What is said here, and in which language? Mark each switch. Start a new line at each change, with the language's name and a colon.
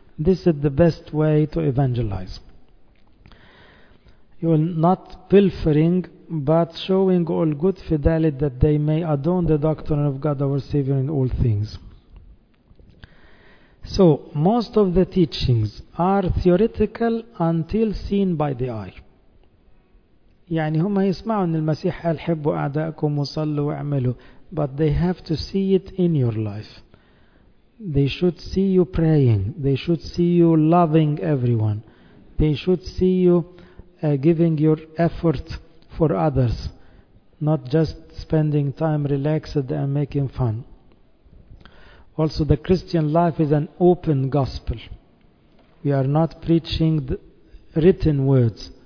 English: This is the best way to evangelize. You are not pilfering but showing all good fidelity that they may adorn the doctrine of God our Savior in all things. So, most of the teachings are theoretical until seen by the eye.
Arabic: يعني هما يسمعوا ان المسيح قال حبوا اعدائكم وصلوا واعملوا,
English: but they have to see it in your life. They should see you praying. They should see you loving everyone. They should see you giving your effort for others, not just spending time relaxed and making fun. Also the Christian life is an open gospel. We are not preaching the written words.